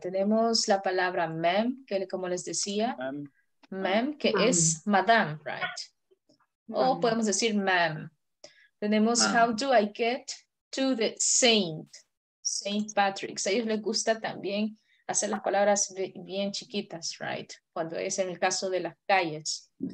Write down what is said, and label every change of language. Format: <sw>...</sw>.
<es>Tenemos la palabra ma'am, que como les decía, ma'am, que es madame, right? O podemos decir ma'am. Tenemos</es> <en>how do I get to the saint? Saint Patrick's.</en> <es>A ellos les gusta también hacer las palabras bien chiquitas, right? Cuando es en el caso de las calles.</es>